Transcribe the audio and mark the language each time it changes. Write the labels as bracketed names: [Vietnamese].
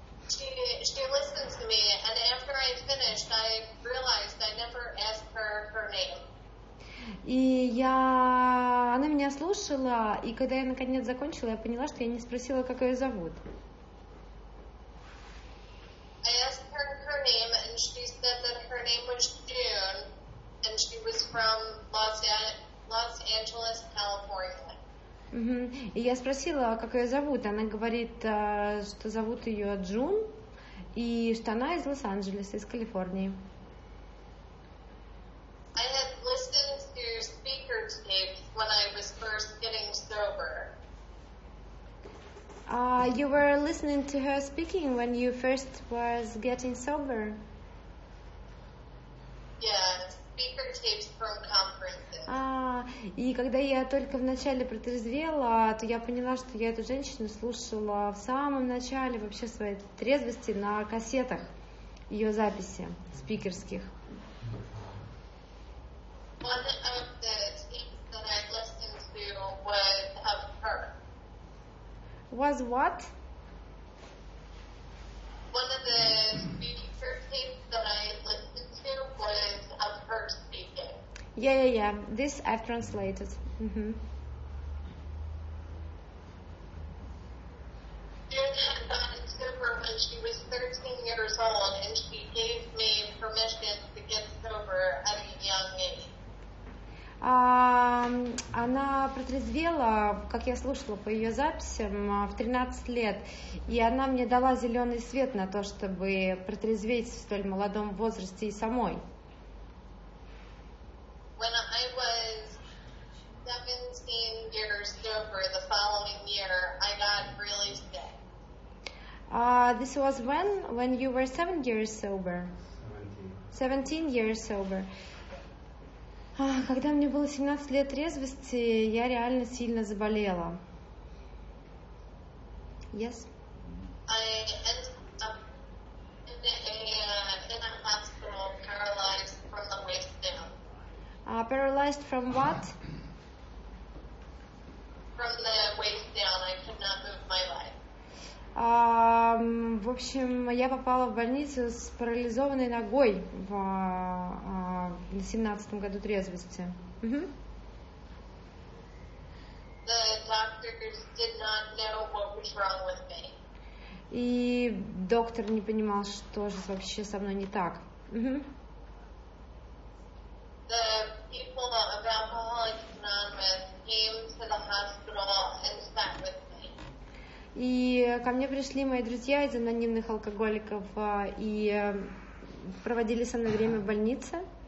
[English] She listened to me, and after I finished, I realized I never asked her her name. [Russian] И я, она меня слушала, и когда я наконец закончила, я поняла, что я не спросила, как ее зовут. [English] I asked her her name, and she said that her name was June, and she was from Los Angeles, California. [Russian] И я спросила, как ее зовут, она говорит, что зовут ее Джун, и что она из Лос-Анджелеса, из Калифорнии. [English] I had listened to speaker tapes when I was first getting sober. You were listening to her speaking when you first was getting sober? Yes. Speaker tapes from conferences. [Russian] И когда я только вначале протрезвела, то я поняла, что я эту женщину слушала в самом начале вообще своей трезвости на кассетах ее записи спикерских. [English] One of the tapes that I listened to was of her. Was what? One of the speaker tapes that I listened to was of her speaking. Yeah. This I've translated. Mm-hmm. June had gotten sober when she was 13 years old, and she gave me permission to get sober at a young age. [Russian] Она протрезвела, как я слушала по ее записям, в 13 лет, и она мне дала зеленый свет на то, чтобы протрезветь в столь молодом возрасте и самой. [English] When I was 17 years sober the following year, I got really sick. This was when you were 7 years sober? 17 years sober. [Russian] Когда мне было 17 лет трезвости, я реально сильно заболела. [English] Yes? I ended up in a hospital paralyzed from the waist down. Paralyzed from what? From the waist down. I could not move my leg. [Russian] В общем, я попала в больницу с парализованной ногой в 17-м году трезвости. [English] The doctors did not know what was wrong with me. [Russian] И доктор не понимал, что же вообще со мной не так. [English] The people of Alcoholics Anonymous came to the hospital and sat with me. [Russian] И ко мне пришли мои друзья из анонимных алкоголиков и проводили со мной время в больнице.